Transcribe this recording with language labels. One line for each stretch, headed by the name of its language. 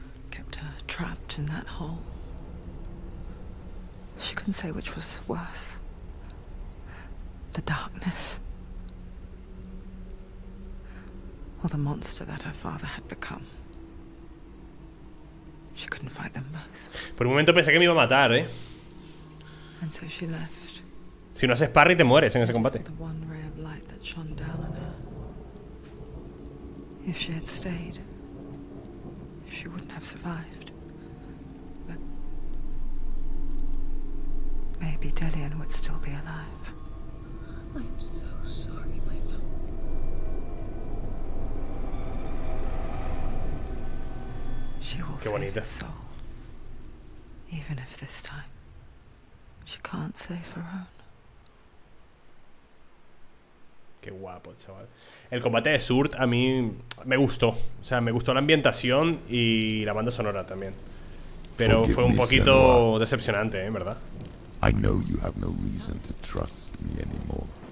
English: Kept her trapped in that hole. She couldn't say which was worse. The darkness. Or the monster that her father had become. She couldn't fight them both.
Spanish: Por un momento pensé que me iba a matar, ¿eh?
English: And so she left.
Spanish: Si no haces parry, te mueres en ese combate.
English: The one ray of light that shone down on her. If she had stayed, she wouldn't have survived. Maybe Delian would still be alive. I'm so sorry, my love. She will save his soul. Even if this time she can't save her own.
Spanish: Qué guapo, chaval. El combate de Surt a mí me gustó. O sea, me gustó la ambientación y la banda sonora también. Pero fue un poquito decepcionante, ¿eh? ¿Verdad?
English: I know you have no reason to trust me anymore.